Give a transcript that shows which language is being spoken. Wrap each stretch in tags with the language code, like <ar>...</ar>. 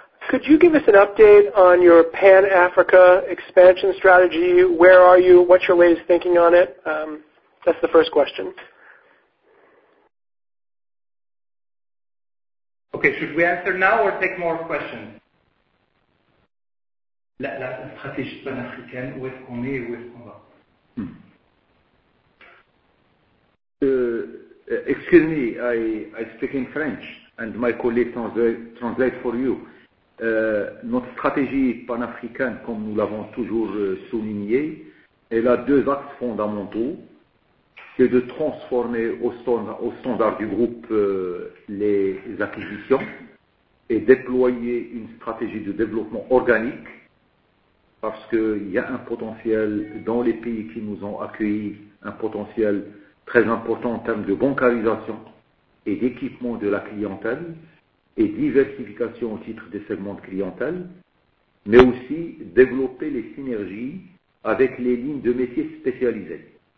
<en>Could you give us an update on your Pan-Africa expansion strategy? Where are you? What's your latest thinking on it? That's the first question. Okay, should we answer now or take more questions?</en> <fr>La stratégie panafricaine, où est-ce qu'on est et où est-ce qu'on va?</fr> <en>Excuse me, I speak in French and my colleague translate for you.</en> <fr>Notre stratégie panafricaine, comme nous l'avons toujours souligné, elle a deux axes fondamentaux. C'est de transformer au standard du groupe les acquisitions et déployer une stratégie de développement organique parce qu'il y a un potentiel dans les pays qui nous ont accueillis, un potentiel très important en termes de bancarisation et d'équipement de la clientèle et diversification au titre des segments de clientèle, mais aussi développer les synergies avec les lignes de métiers spécialisées.</fr>